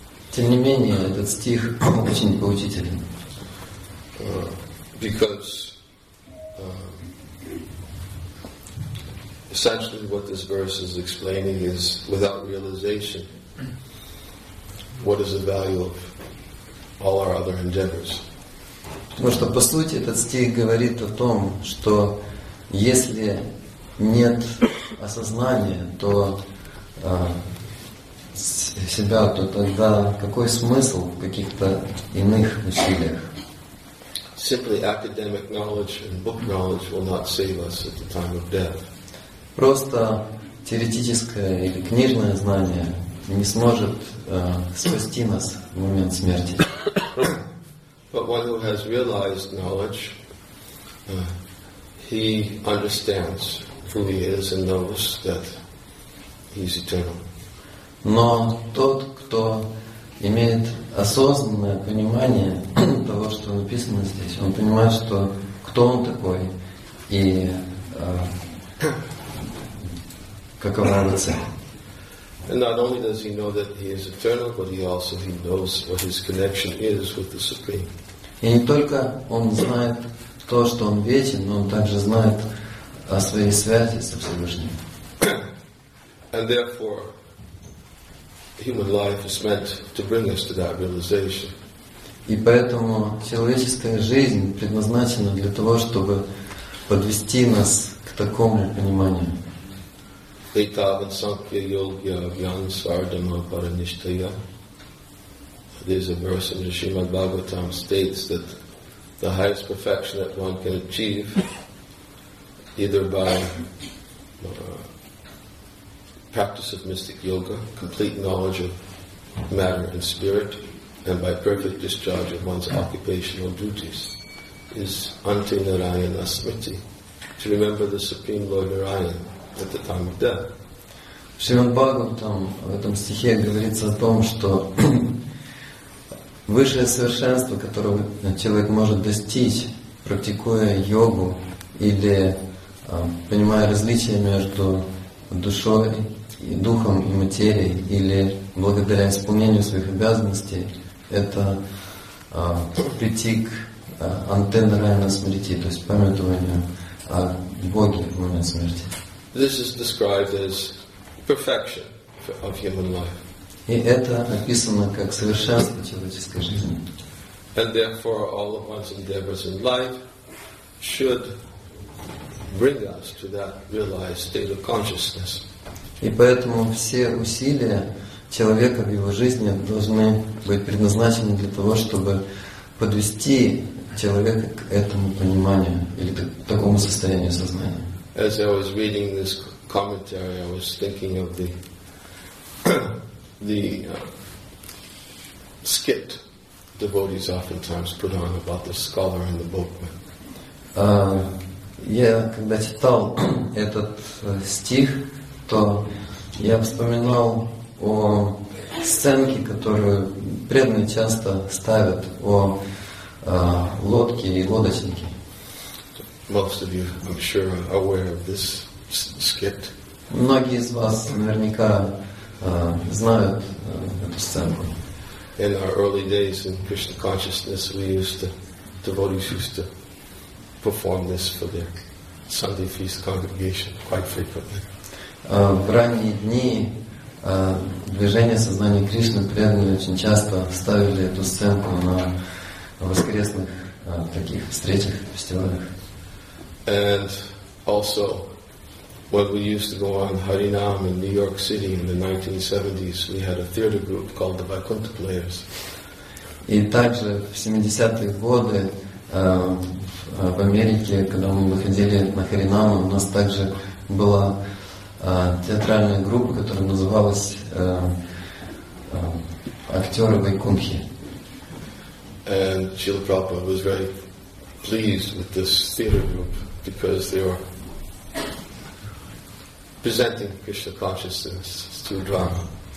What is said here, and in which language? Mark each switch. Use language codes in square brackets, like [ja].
[ru] Тем не менее, этот стих очень поучителен. [en] Because essentially, what this verse is explaining is, without realization, what is the value of all our other endeavors? [ru] Потому что по сути этот стих говорит о том, что если нет осознания, то себя, то тогда какой смысл в каких-то иных усилиях? [en] Simply academic knowledge and book knowledge will not save us at the time of death. [ru] Просто теоретическое или книжное знание не сможет спасти нас в момент смерти. [en] But one who has realized knowledge, he understands who he is and knows that he is eternal. [ru] Но тот, кто имеет осознанное понимание того, что написано здесь, он понимает, что кто он такой, и какова его цель. [en] And not only does he know that he is eternal, but he also he knows what his connection is with the Supreme. [ru] И не только он знает то, что он вечен, но он также знает о своей связи со Всевышним. [en] And therefore, human life is meant to bring us to that realization. [ru] И поэтому человеческая жизнь предназначена для того, чтобы подвести нас к такому пониманию. [sa] Этава санкья йогья гьян сардама паранишthaya. [en] There's a verse in the Srimad Bhagavatam states that the highest perfection that one can achieve, either by practice of mystic yoga, complete knowledge of matter and spirit, and by perfect discharge of one's occupational duties, is Anti Narayana Smriti, to remember the Supreme Lord Narayan at the time of death. [ru] Srimad Bhagavatam в этом стихе говорится о том, что высшее совершенство, которое человек может достичь, практикуя йогу или понимая различия между душой и духом и материей, или благодаря исполнению своих обязанностей, это прийти к антенне Райана Смрити, то есть памятованию о Боге в момент смерти. [en] This is described as perfection of human life. [ru] И это описано как совершенство человеческой жизни. [en] And therefore all of one's endeavors in life should bring us to that realized state of consciousness. [ru] И поэтому все усилия человека в его жизни должны быть предназначены для того, чтобы подвести человека к этому пониманию или к такому состоянию сознания. [en] As I was reading this commentary, I was thinking of the skit devotees oftentimes put on about the scholar and the boatman. [ru] Я когда читал этот стих, то я вспоминал о сценке, которую преданные часто ставят о лодке и лодочнике. [en] Most of you, I'm sure, are aware of this skit. [ru] Многие из вас наверняка знают эту сценку. [en] In our early days in Krishna consciousness, we used to, devotees used to perform this for their Sunday feast congregation quite frequently. [ru] В ранние дни движение сознания Кришны преданные очень часто ставили эту сценку на воскресных таких встречах, фестивалях. [en] And also, when we used to go on Harinam in New York City in the 1970s, we had a theater group called the Vaikuntha Players. [ru] И также в 70-е годы в Америке, когда мы выходили на Харинам, у нас также была театральная группа, которая называлась «Актеры Вайкунхи». [en] And Srila Prabhupada was very pleased with this theater group because they were presenting Krishna consciousness through drama.